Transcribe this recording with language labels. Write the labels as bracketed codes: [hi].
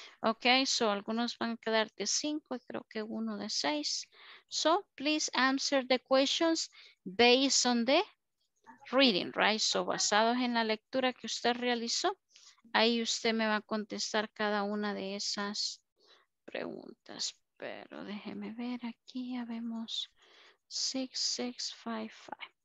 [es] Okay, so algunos van a quedar de 5, creo que uno de 6. [en] So please answer the questions based on the reading, right? [es] So basados en la lectura que usted realizó, ahí usted me va a contestar cada una de esas preguntas, pero déjeme ver aquí, ya vemos 6655.